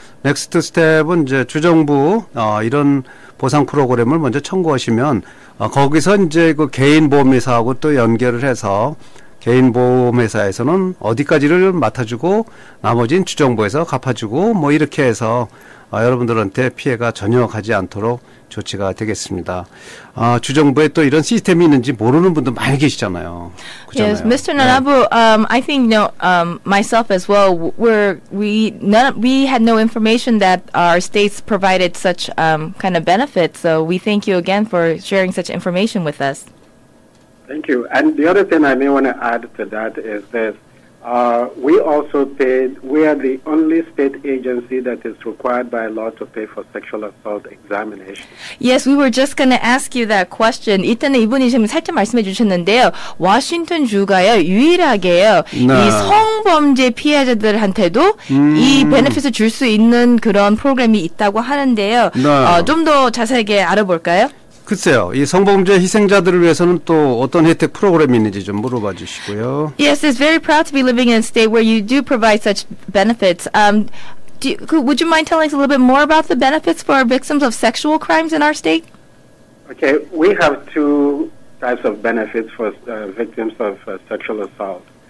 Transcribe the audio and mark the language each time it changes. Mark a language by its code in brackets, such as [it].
[ko] 넥스트 스텝은 이제 주정부 이런 보상 프로그램을 먼저 청구하시면 거기서 이제 그 개인 보험회사하고 또 연결을 해서 개인 보험회사에서는 어디까지를 맡아주고 나머지는 주정부에서 갚아주고 뭐 이렇게 해서 여러분들한테 피해가 전혀 가지 않도록 조치가 되겠습니다. 주정부에 또 이런 시스템이 있는지 모르는 분도 많이 계시잖아요. 그렇잖아요. [en] Yes, Mr. Nnanabu, I think you know, myself as well. We had no information that our states provided such kind of benefits. So we thank you again for sharing such information with us. Thank you. And the other thing I may want to add to that is this: we are the only state agency that is required by law to pay for sexual assault examination. Yes, we were just going to ask you that question. [ko] 일단 이분이 지금 살짝 말씀해 주셨는데요. 워싱턴 주가요, 유일하게요. 네. 이 성범죄 피해자들한테도 이 베네핏을 줄 수 있는 그런 프로그램이 있다고 하는데요. 네. 좀 더 자세하게 알아볼까요? 글쎄요. 이 성범죄 희생자들을 위해서는 또 어떤 혜택 프로그램이 있는지 좀 물어봐 주시고요. [en] Yes, it's very proud to be living in a state where you do provide such benefits. Would you mind telling us a little bit more about the benefits for victims of sexual crimes in our state? Okay, we have two types of benefits for victims of sexual assault.